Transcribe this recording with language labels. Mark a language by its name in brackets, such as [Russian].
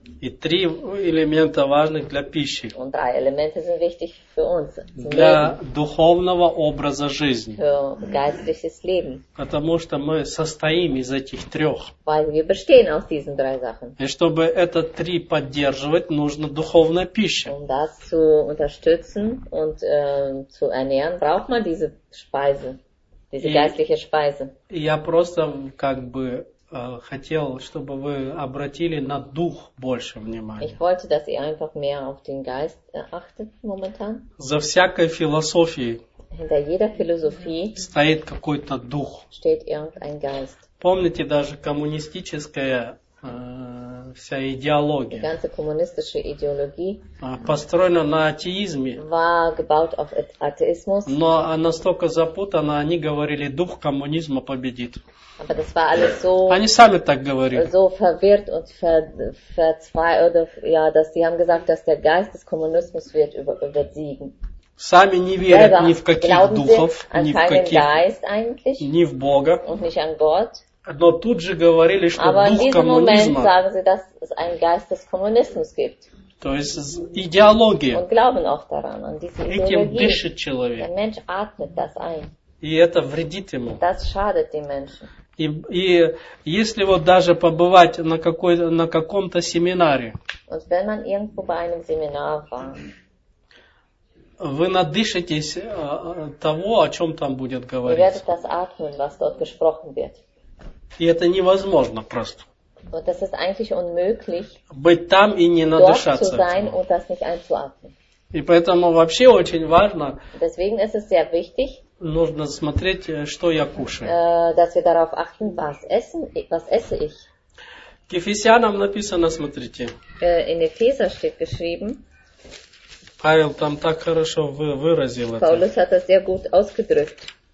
[Russian] И три элемента важны для пищи. [German] Und drei Elemente sind wichtig für uns. [Russian] Для [German] Leben. [Russian] Духовного образа жизни. [German] Für geistliches Leben. [Russian] Потому что мы состоим из этих трех. [German] Weil wir bestehen aus diesen drei Sachen. [Russian] И чтобы это три поддерживать, нужна духовная пища. [German] Um das zu unterstützen und zu ernähren, braucht man diese Speise. Diese geistliche Speise. [Russian] Я просто как бы хотел, чтобы вы обратили на дух больше внимания. [German] Ich wollte, dass ihr einfach mehr auf den Geist achtet momentan. [Russian] За всякой философией. [German] Hinter jeder Philosophie. [Russian] Стоит какой-то дух. [German] Steht irgendein Geist. [Russian] Помните даже коммунистическая вся идеология. [German] Die ganze kommunistische Ideologie. [Russian] Построена на атеизме. [German] War gebaut auf Atheismus. [Russian] Но настолько запутана, они говорили, дух коммунизма победит. [German] Aber das war alles so. [Russian] Они сами так говорили. [German] So verwirrt und verzweifelt, ja, dass sie haben gesagt, dass der Geist des Kommunismus wird übersiegen. [Russian] Сами не верят ни в каких духов, ни в каких, ни в Бога. [German] Und nicht an Gott. [Russian] Но тут же говорили, что [German] Aber [Russian] дух коммунизма. [German] Sagen sie, dass es einen Geist des Kommunismus gibt. [Russian] То есть идеология. [German] Und glauben auch daran, an diese Ideologie. [Russian] Этим дышит человек. [German] Der Mensch atmet das ein. [Russian] И это вредит ему. [German] Das schadet den Menschen. [Russian] И если вот даже побывать на каком-то семинаре. [German] Und wenn man irgendwo bei einem Seminar war. [Russian] Вы надышитесь того, о чем там будет говориться. [German] Ihr werdet das atmen, was dort gesprochen wird. [Russian] И это невозможно просто. [German] Und das ist eigentlich unmöglich, [Russian] быть там и не надышаться. [German] Dort zu sein und das nicht einzuatmen. [Russian] И поэтому вообще очень важно [German] Deswegen ist es sehr wichtig, [Russian] нужно смотреть, что я кушаю. [German] Dass wir darauf achten, was esse ich. [Russian] К Ефесянам написано, смотрите. [German] In Epheser steht geschrieben. [Russian] Павел там так хорошо выразил это. [German] Paulus hat das sehr gut ausgedrückt.